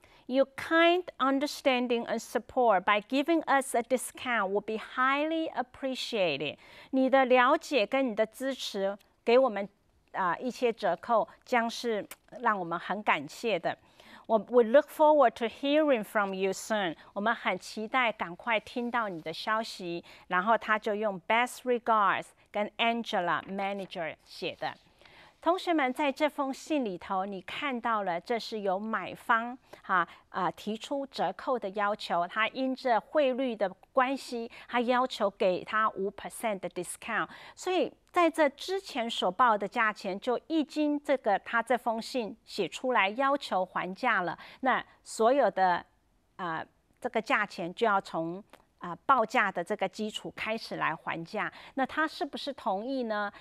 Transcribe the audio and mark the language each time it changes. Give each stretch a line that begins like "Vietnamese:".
English: Your kind understanding and support by giving us a discount will be highly appreciated.
Chinese: 你的了解跟你的支持给我们、一些折扣将是让我们很感谢的。
English: We look forward to hearing from you soon.
Chinese: 我们很期待赶快听到你的消息。然后他就用
English: best regards
Chinese: 跟 Angela manager 写的。同学们，在这封信里头，你看到了，这是由买方提出折扣的要求，他因着汇率的关系，他要求给他 5% 的 discount， 所以在这之前所报的价钱，就已经这个他这封信写出来要求还价了，那所有的这个价钱就要从报价的这个基础开始来还价，那他是不是同意呢？